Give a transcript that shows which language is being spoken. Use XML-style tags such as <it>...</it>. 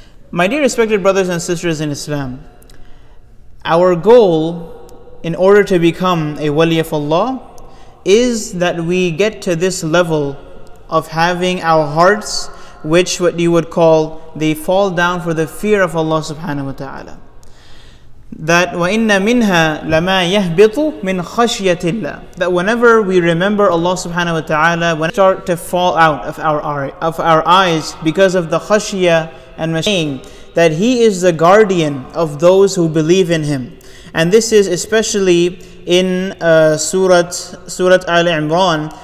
<en>My dear respected brothers and sisters in Islam, our goal in order to become a wali of Allah is that we get to this level of having our hearts, which what you would call, they fall down for the fear of Allah subhanahu wa ta'ala. That</en> <ar>وَإِنَّ مِنْهَا لَمَا يَهْبِطُ مِنْ خَشْيَةِ اللَّهِ.</ar> <en>That whenever we remember Allah subhanahu wa ta'ala, when start to fall out of our eyes because of the khashya and saying that He is the guardian of those who believe in Him. And this is especially in Surah Al-Imran,</en>